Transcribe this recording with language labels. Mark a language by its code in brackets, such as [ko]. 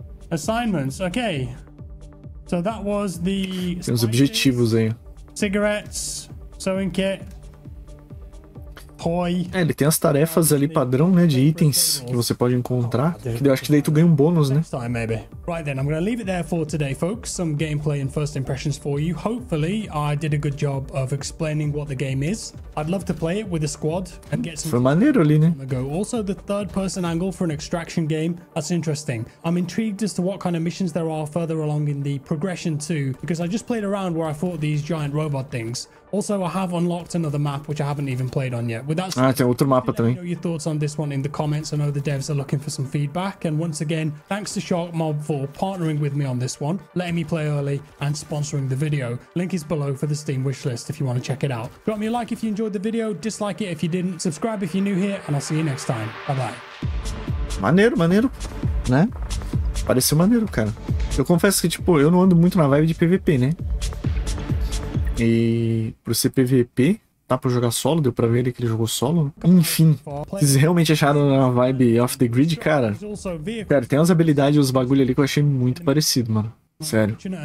[en] Assignments, okay. So that was the. [pt] Tem uns objetivos aí. [en] Cigarettes, sewing kit. Toy. [pt] É, ele tem as tarefas ali padrão, né, de itens que você pode encontrar. Que eu acho que daí tu ganha um bônus, né? [en] Time, maybe. Right then, I'm gonna leave it there for today, folks. Some gameplay and first impressions for you. Hopefully, I did a good job of explaining what the game is. I'd love to play it with a squad and get some. [pt] Foi maneiro ali, né? [en] Also, the third-person angle for an extraction game. That's interesting. I'm intrigued as to what kind of missions there are further along in the progression too, because I just played around where I fought these giant robot things. Also, I have unlocked another map which I haven't even played on yet. With that [pt] said, tem outro mapa também. [en] Let me know your thoughts on this one in the comments. I know the devs are looking for some feedback. And once again, thanks to Shark Mob for partnering with me on this one, letting me play early, and sponsoring the video. Link is below for the Steam wishlist if you want to check it out. Drop me a like if you enjoyed the video, dislike it if you didn't, subscribe if you're new here, and I'll see you next time. Bye bye. [pt] Maneiro, maneiro. Né? Pareceu maneiro, cara. Eu confesso que, tipo, eu não ando muito na vibe de PVP, né? E pro ser PVP, tá pra jogar solo, deu pra ver ele que ele jogou solo. Enfim, vocês realmente acharam uma vibe off the grid, cara? Cara, tem umas habilidades e os bagulho ali que eu achei muito parecido, mano. Sério.